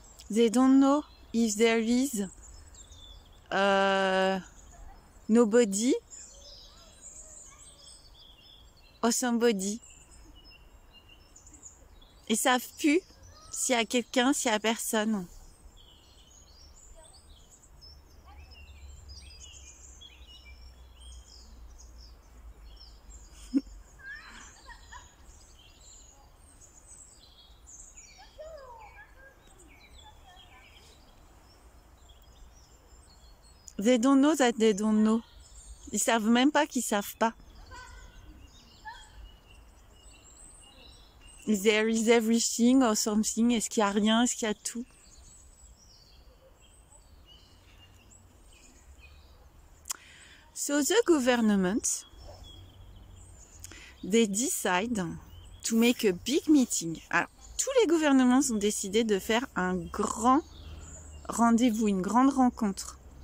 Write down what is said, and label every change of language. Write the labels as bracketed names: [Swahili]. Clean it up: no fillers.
[English] They don't know if there is nobody or somebody. [French] Ils savent plus s'il y a quelqu'un, s'il y a personne. [English] They don't know that they don't know. [French] Ils savent même pas qu'ils savent pas. [English] There is everything or something. [French] Est-ce qu'il y a rien? Est-ce qu'il y a tout? [English] So the government, they decide to make a big meeting. [French] Alors, tous les gouvernements ont décidé de faire un grand rendez-vous, une grande rencontre.